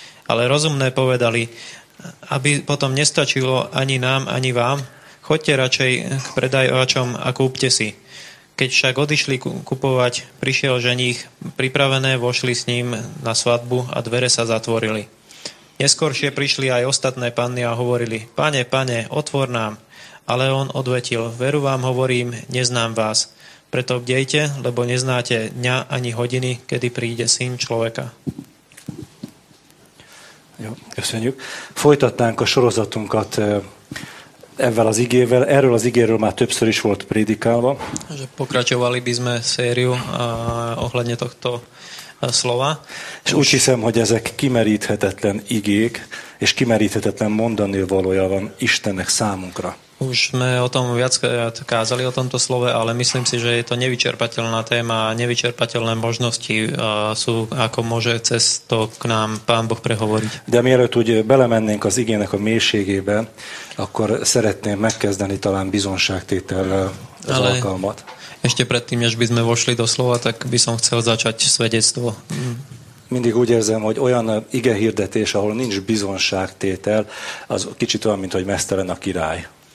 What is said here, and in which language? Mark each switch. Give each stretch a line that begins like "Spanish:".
Slovak: Ale rozumné povedali, aby potom nestačilo ani nám, ani vám, choďte radšej k predajovačom a kúpte si. Keď však odišli kupovať, prišiel ženich, pripravené vošli s ním na svadbu a dvere sa zatvorili. Neskôršie prišli aj ostatné panny a hovorili, pane, pane, otvor nám. Ale on odvetil, veru vám hovorím, neznám vás. Preto bdejte, lebo neznáte dňa ani hodiny, kedy príde syn človeka.
Hungarian: Jo, köszönjük. Folytatnánk a sorozatunkat ezzel az igével. Erről az igéről már többször is volt prédikálva.
Slovak: Že pokračovali by sme sériu ohľadne tohto slova.
Hungarian: És úgy hiszem, hogy ezek kimeríthetetlen igék, és kimeríthetetlen mondani valója van Istennek számunkra.
Slovak: Už sme o tom viackrát kázali, o tomto slove, ale myslím si, že je to nevyčerpateľná téma a nevyčerpateľné možnosti sú, ako môže cez to k nám Pán Boh prehovoriť.
Hungarian: De mielőtt úgy belemennénk az igének a mélységébe, akkor szeretném megkezdeni talán bizonságtétellel az ale alkalmat.
Slovak: Ešte predtým, než by sme vošli do slova, tak by som chcel začať svedectvo.
Hungarian: Mindig úgy érzem, hogy olyan ige hirdetés, ahol nincs bizonságtétel, az kicsit olyan, mint hogy mesztelen a király.